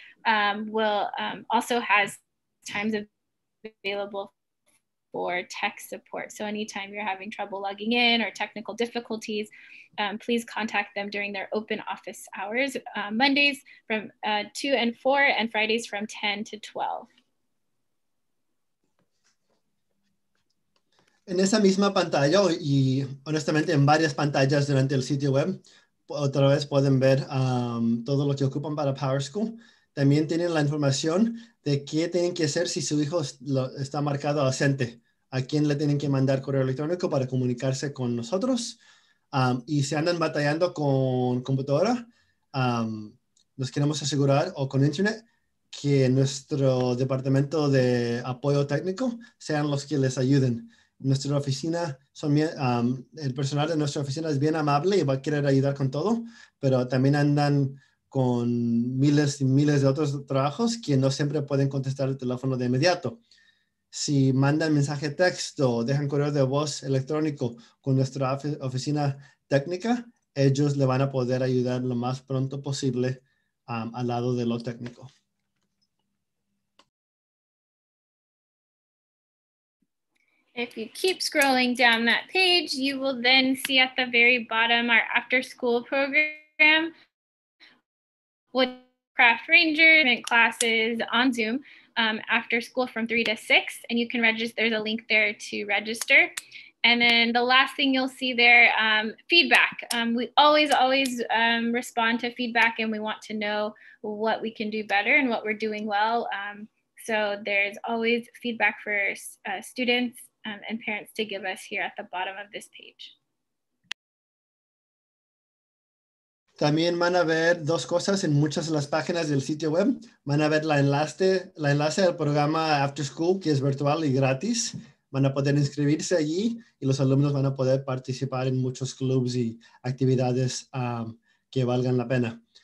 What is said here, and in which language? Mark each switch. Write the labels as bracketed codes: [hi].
[en] Also has times available for tech support. So anytime you're having trouble logging in or technical difficulties, please contact them during their open office hours, Mondays from 2 and 4 and Fridays from 10 to 12. [es] En esa misma pantalla y honestamente en varias pantallas durante el sitio web, otra vez pueden ver todo lo que ocupan para PowerSchool. También tienen la información de qué tienen que hacer si su hijo está marcado ausente, a quién le tienen que mandar correo electrónico para comunicarse con nosotros. Y si andan batallando con computadora, nos queremos asegurar, o con internet, que nuestro departamento de apoyo técnico sean los que les ayuden. Nuestra oficina, el personal de nuestra oficina es bien amable y va a querer ayudar con todo, pero también andan con miles y miles de otros trabajos que no siempre pueden contestar el teléfono de inmediato. Si mandan mensaje texto o dejan correo de voz electrónico con nuestra oficina técnica, ellos le van a poder ayudar lo más pronto posible al lado de lo técnico. [en] If you keep scrolling down that page, you will then see at the very bottom our after school program. Woodcraft Ranger event classes on Zoom after school from 3 to 6, and you can register. There's a link there to register. And then the last thing you'll see there, feedback. We always respond to feedback, and we want to know what we can do better and what we're doing well. So there's always feedback for students and parents to give us here at the bottom of this page. [es] También van a ver dos cosas en muchas de las páginas del sitio web. Van a ver la enlace del programa After School, que es virtual y gratis. Van a poder inscribirse allí y los alumnos van a poder participar en muchos clubs y actividades que valgan la pena.